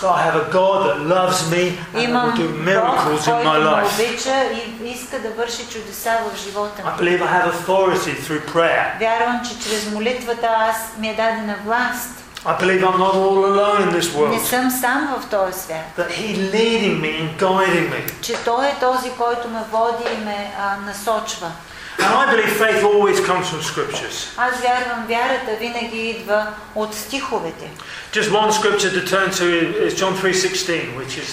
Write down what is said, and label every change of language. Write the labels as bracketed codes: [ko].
[en] So I have a God that loves me and will do miracles in my life. [bg] Имам Бог, който ме обича и иска да върши чудеса в живота ми. [en] I believe I have authority through prayer. [bg] Вярвам, че чрез молитвата аз ми е дадена власт. [en] I believe I'm not all alone in this world. [bg] Не съм сам в този свят. [en] That He's leading me and guiding me. [bg] Че Той е този, който ме води и ме насочва. [en] And I believe faith always comes from scriptures. [bg] Аз вярвам, вярата винаги идва от стиховете. [en] Just one scripture to turn to is John 3:16, which is